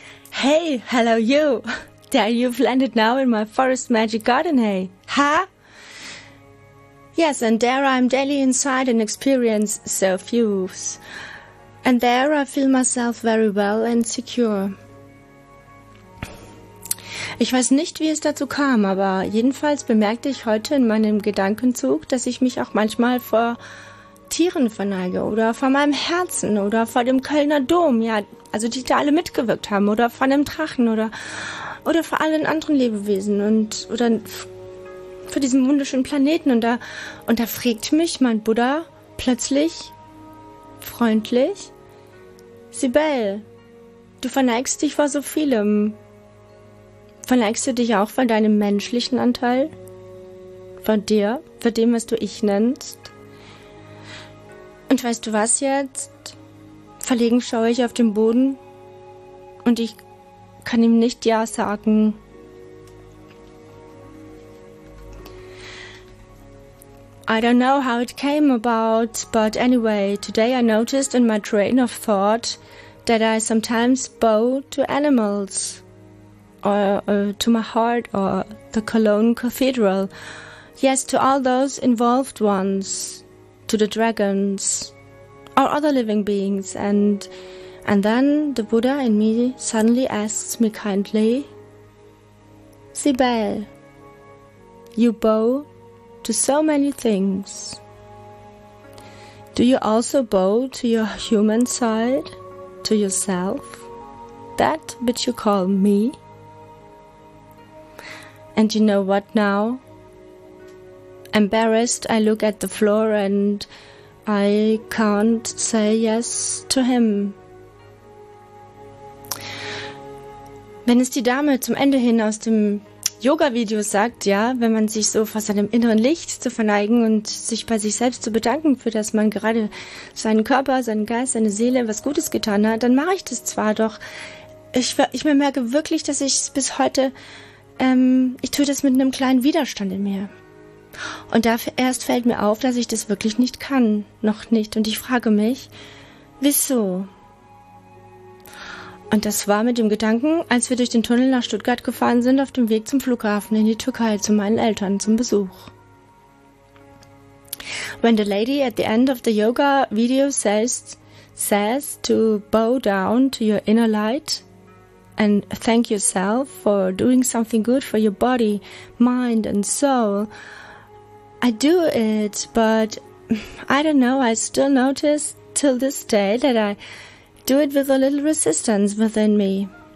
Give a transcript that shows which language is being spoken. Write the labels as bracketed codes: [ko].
[en] "Hey, hello you! There you've landed now in my forest magic garden, hey? Huh?" "Yes, and there I'm daily inside and experience self-use. And there I feel myself very well and secure." [de] Ich weiß nicht, wie es dazu kam, aber jedenfalls bemerkte ich heute in meinem Gedankenzug, dass ich mich auch manchmal vor Tieren verneige oder vor meinem Herzen oder vor dem Kölner Dom, ja, also die da alle mitgewirkt haben, oder vor einem Drachen oder vor allen anderen Lebewesen und oder vor diesem wunderschönen Planeten. Und da fragt mich mein Buddha plötzlich freundlich: "Sibel, du verneigst dich vor so vielem. Verneigst du dich auch vor deinem menschlichen Anteil? Vor dir? Vor dem, was du ich nennst? Und weißt du was jetzt? Verlegen schaue ich auf den Boden und ich kann ihm nicht ja sagen." [en] I don't know how it came about, but anyway, today I noticed in my train of thought that I sometimes bow to animals. Or to my heart, or the Cologne Cathedral. Yes, to all those involved ones, to the dragons, or other living beings. And then the Buddha in me suddenly asks me kindly, "Sibel, you bow to so many things. Do you also bow to your human side, to yourself, that which you call me? And you know what now? Embarrassed, I look at the floor and I can't say yes to him." [de] Wenn es die Dame zum Ende hin aus dem Yoga-Video sagt, ja, wenn man sich so vor seinem inneren Licht zu verneigen und sich bei sich selbst zu bedanken, für das man gerade seinen Körper, seinen Geist, seine Seele was Gutes getan hat, dann mache ich das zwar, doch ich merke wirklich, dass ich es bis heute... ich tue das mit einem kleinen Widerstand in mir. Und dafür erst fällt mir auf, dass ich das wirklich nicht kann. Noch nicht. Und ich frage mich, wieso? Und das war mit dem Gedanken, als wir durch den Tunnel nach Stuttgart gefahren sind, auf dem Weg zum Flughafen in die Türkei zu meinen Eltern zum Besuch. [en] When the lady at the end of the yoga video says to bow down to your inner light, and thank yourself for doing something good for your body, mind and soul. I do it, but I don't know, I still notice till this day that I do it with a little resistance within me.